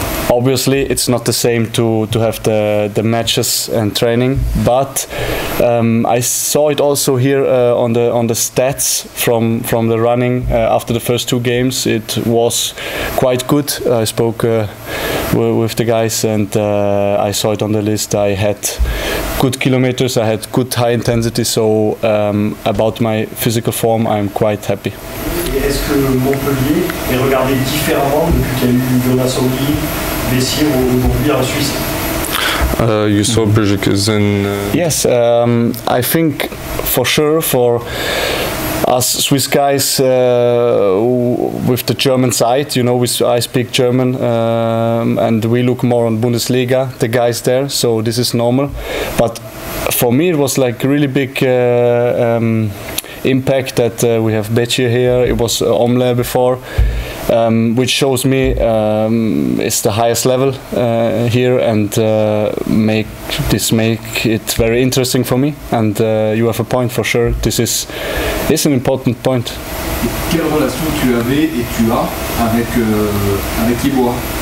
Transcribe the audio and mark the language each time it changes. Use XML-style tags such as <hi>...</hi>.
<en>Obviously, it's not the same to have the matches and training, but I saw it also here on the stats from the running after the first two games. It was quite good. I spoke with the guys and I saw it on the list. I had good kilometers, I had good high intensity, so about my physical form, I'm quite happy.</en> <fr>Est-ce que Montpellier est regardé différemment depuis qu'il y a eu Jonas Henry, Bessier ou aujourd'hui en Suisse?</fr> <en>You saw Brzezik is in... Yes, I think for sure for us Swiss guys with the German side, you know, I speak German and we look more on Bundesliga, the guys there, so this is normal. But for me it was like really big impact that we have Bessier here, it was Omle before. Which shows me it's the highest level here, and make it very interesting for me. And you have a point for sure. This is an important point.</en> <fr>Quelle relation tu avais et tu as avec avec Ibois?</fr>